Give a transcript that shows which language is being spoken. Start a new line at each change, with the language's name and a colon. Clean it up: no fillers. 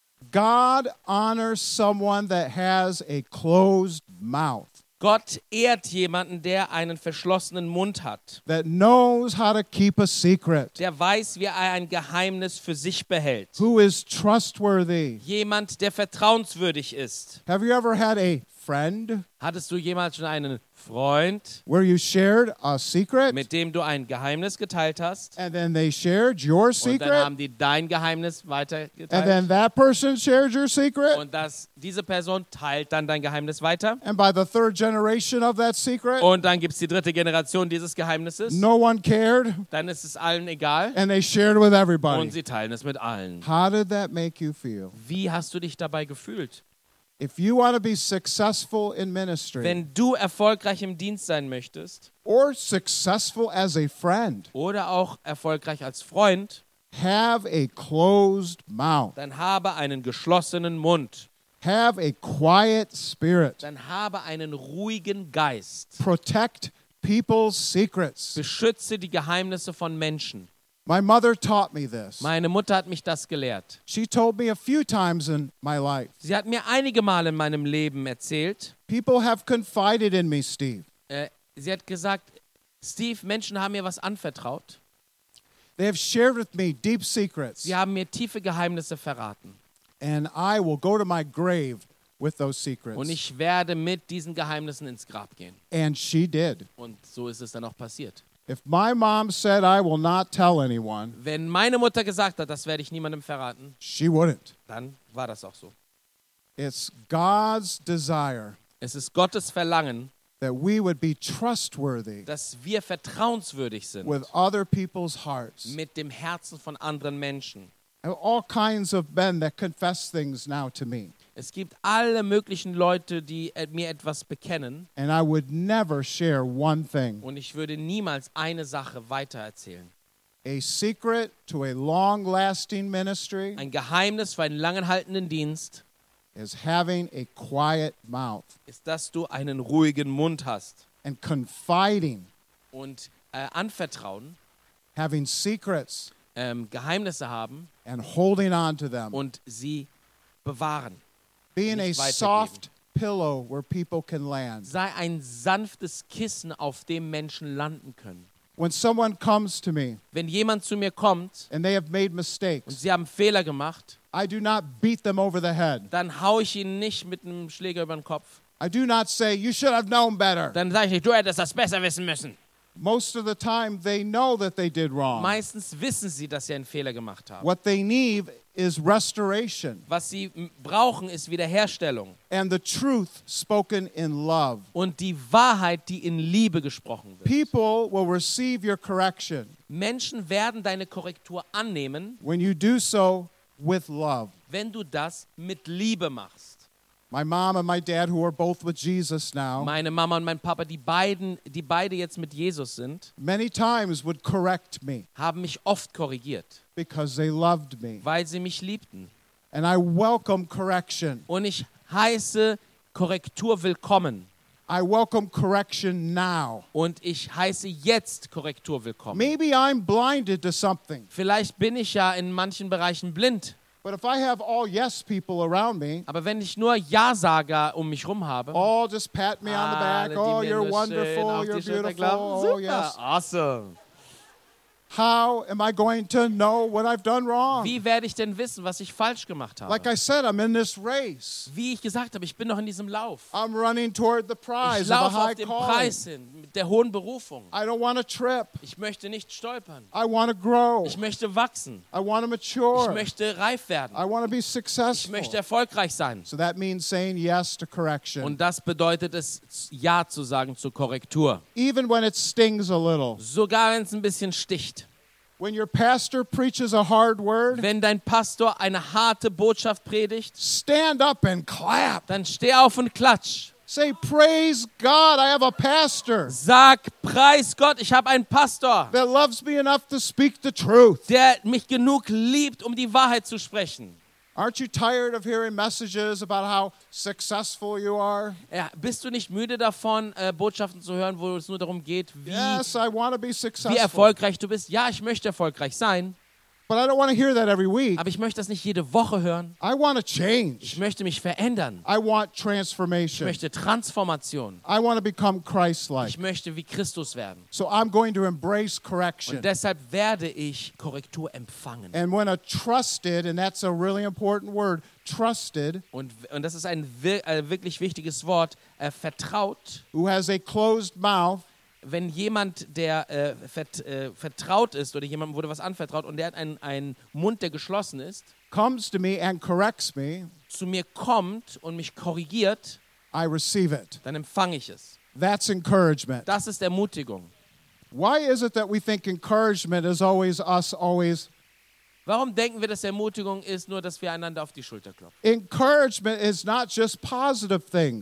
English: God honors someone that has a closed mouth.
German: Gott ehrt jemanden, der einen verschlossenen Mund hat.
English: That knows how to keep a secret.
German: Der weiß, wie er ein Geheimnis für sich behält.
English: Who is trustworthy.
German: Jemand, der vertrauenswürdig ist.
English: Have you ever had a friend?
German: Hattest du jemals schon einen Freund,
English: where you shared a secret,
German: mit dem du ein Geheimnis geteilt hast,
English: and then they shared your secret,
German: und dann haben die dein Geheimnis weitergeteilt,
English: and then that person shared your secret,
German: und dass diese Person teilt dann dein Geheimnis weiter,
English: and by the third generation of that secret,
German: und dann gibt's die dritte Generation dieses Geheimnisses,
English: no one cared,
German: dann ist es allen egal,
English: and they shared with everybody,
German: und sie teilen es mit allen.
English: How did that make you feel?
German: Wie hast du dich dabei gefühlt?
English: If you want to be successful in ministry,
German: wenn du erfolgreich im Dienst sein möchtest,
English: or successful as a friend,
German: oder auch erfolgreich als Freund,
English: have a closed mouth.
German: Dann habe einen geschlossenen Mund.
English: Have a quiet spirit.
German: Dann habe einen ruhigen Geist.
English: Protect people's secrets.
German: Beschütze die Geheimnisse von Menschen.
English: My mother taught me this.
German: Meine Mutter hat mich das gelehrt.
English: She told me a few times in my life.
German: Sie hat mir einige Male in meinem Leben erzählt.
English: People have confided in me, Steve.
German: Sie hat gesagt, Steve, Menschen haben mir was anvertraut.
English: They have shared with me deep secrets.
German: Sie haben mir tiefe Geheimnisse verraten.
English: And I will go to my grave with those secrets.
German: Und ich werde mit diesen Geheimnissen ins Grab gehen.
English: And she did.
German: Und so ist es dann auch passiert.
English: If my mom said I will not tell anyone,
German: wenn meine Mutter gesagt hat, das werde ich niemandem verraten,
English: she wouldn't.
German: Dann war das auch so.
English: It's God's desire.
German: Es ist Gottes Verlangen,
English: That we would be trustworthy,
German: dass wir vertrauenswürdig sind,
English: with other people's hearts,
German: mit dem Herzen von anderen Menschen.
English: All kinds of men that confess things now to me.
German: Es gibt alle möglichen Leute, die mir etwas bekennen.
English: And I would never share one thing.
German: Und ich würde niemals eine Sache weitererzählen.
English: A secret to a long-lasting ministry.
German: Ein Geheimnis für einen langanhaltenden Dienst.
English: Is having a quiet mouth.
German: Ist, dass du einen ruhigen Mund hast.
English: And confiding.
German: Und anvertrauen.
English: Having secrets.
German: Geheimnisse haben.
English: And holding on to them.
German: Und sie bewahren.
English: Being a soft pillow where people can land.
German: Sei ein sanftes Kissen, auf dem Menschen landen können.
English: When someone comes to me,
German: wenn jemand zu mir kommt,
English: and they have made mistakes,
German: und sie haben Fehler gemacht,
English: I do not beat them over the head.
German: Dann hau ich ihnen nicht mit einem Schläger über den Kopf.
English: I do not say, you should have known better.
German: Dann sage ich nicht, du hättest das besser wissen müssen.
English: Most of the time, they know that they did wrong.
German: Meistens wissen sie, dass sie einen Fehler gemacht haben.
English: What they need is restoration.
German: Was sie brauchen, ist Wiederherstellung.
English: And the truth spoken in love.
German: Und die Wahrheit, die in Liebe gesprochen wird.
English: People will receive your correction.
German: Menschen werden deine Korrektur annehmen.
English: When you do so with love.
German: Wenn du das mit Liebe machst.
English: My mom and my dad, who are both with Jesus now.
German: Meine Mama und mein Papa, die beide jetzt mit Jesus sind.
English: Many times would correct me.
German: Haben mich oft korrigiert.
English: Because they loved me.
German: Weil sie mich liebten.
English: And I welcome correction.
German: Und ich heiße Korrektur willkommen.
English: I welcome correction now.
German: Und ich heiße jetzt Korrektur willkommen.
English: Maybe I'm blinded to something.
German: Vielleicht bin ich ja in manchen Bereichen blind.
English: But if I have all yes people around me,
German: aber wenn ich nur Ja-Sager um mich rum habe,
English: all just pat me on the back, oh, you're wonderful, you're beautiful,
German: super,
English: yes. Awesome. How am I going to know what I've done wrong?
German: Wie werde ich denn wissen, was ich falsch gemacht habe?
English: Like I said, I'm in this race.
German: Wie ich gesagt habe, ich bin noch in diesem Lauf.
English: I'm running toward the prize of a high calling.
German: Ich laufe auf den Preis hin, mit der hohen Berufung.
English: I don't want to trip.
German: Ich möchte nicht stolpern.
English: I want to grow.
German: Ich möchte wachsen.
English: I want to mature.
German: Ich möchte reif werden.
English: I want to be successful.
German: Ich möchte erfolgreich sein.
English: So that means saying yes to correction.
German: Und das bedeutet es, Ja zu sagen zur Korrektur.
English: Even when it stings a little.
German: Sogar wenn es ein bisschen sticht.
English: When your pastor preaches a hard word,
German: wenn dein Pastor eine harte Botschaft predigt,
English: stand up and clap.
German: Dann steh auf und klatsch.
English: Say praise God, I have a pastor.
German: Sag preis Gott, ich habe einen Pastor.
English: That loves me enough to speak the truth.
German: Der mich genug liebt, um die Wahrheit zu sprechen.
English: Aren't you tired of hearing messages about how successful you are?
German: Ja, bist du nicht müde davon, Botschaften zu hören, wo es nur darum geht, wie erfolgreich du bist? Ja, ich möchte erfolgreich sein.
English: But I don't want to hear that every week.
German: Aber ich möchte das nicht jede Woche hören.
English: I want to change.
German: Ich möchte mich verändern.
English: I want transformation.
German: Ich möchte Transformation.
English: I want to become Christ-like.
German: Ich möchte wie Christus werden.
English: So I'm going to embrace correction.
German: Und deshalb werde ich Korrektur empfangen.
English: And when a trusted, and that's a really important word, trusted.
German: Und das ist ein wirklich wichtiges Wort, vertraut.
English: Who has a closed mouth.
German: Wenn jemand, der vertraut ist oder jemandem wurde was anvertraut und der hat einen Mund, der geschlossen ist,
English: comes to me and corrects me,
German: zu mir kommt und mich korrigiert,
English: I receive it.
German: Dann empfange ich es.
English: That's encouragement.
German: Das ist Ermutigung.
English: Why is it that we think encouragement is always us, always?
German: Warum denken wir, dass Ermutigung ist, nur dass wir einander auf die Schulter klopfen?
English: Encouragement is not just positive things.